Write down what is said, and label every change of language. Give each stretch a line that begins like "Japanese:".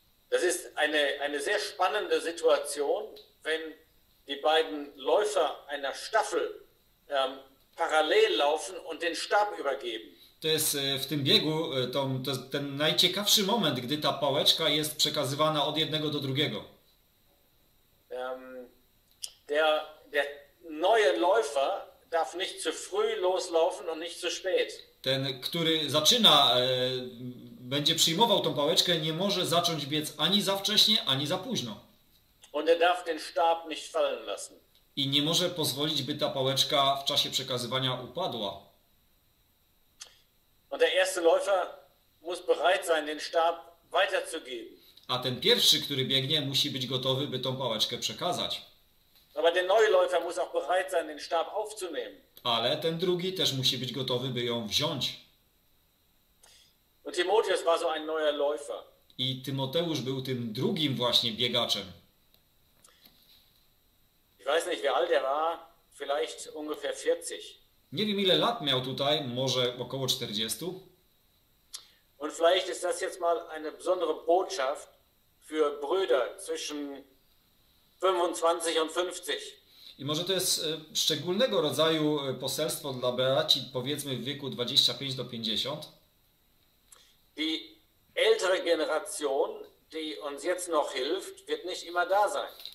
German: Das ist eine sehr spannende Situation, wenn die beiden Läufer einer Staffel parallel laufen und den Stab übergeben.
Polish: To jest w tym biegu ten najciekawszy moment, gdy ta pałeczka jest przekazywana od jednego do drugiego.
German: Der neue Läufer darf nicht zu früh loslaufen und nicht zu spät.
Polish: Ten, który zaczyna, będzie przyjmował tą pałeczkę, nie może zacząć biec ani za wcześnie, ani za późno.
German: Und er darf den Stab nicht fallen lassen.
Polish: I nie może pozwolić, by ta pałeczka w czasie przekazywania upadła.
German: Und der erste Läufer muss bereit sein, den Stab weiterzugeben.
Polish: A ten pierwszy, który biegnie, musi być gotowy, by tą pałeczkę przekazać.
German: Aber der neue Läufer muss auch bereit sein, den Stab aufzunehmen.
Polish: Ale ten drugi też musi być gotowy, by ją wziąć.
German: Und Timotheus war so ein neuer Läufer.
Polish: I Tymoteusz był tym drugim właśnie biegaczem.
German: Ich weiß nicht, wie alt er war, vielleicht ungefähr 40.
Polish: Nie wiem, ile lat miał tutaj, może około 40.
German: Und vielleicht ist das jetzt mal eine besondere Botschaft für Brüder zwischen 25 und 50.
Polish: I może to jest szczególnego rodzaju poselstwo dla braci, powiedzmy w wieku 25 do 50.
German: Die ältere Generation, die uns jetzt noch hilft, wird nicht immer da sein.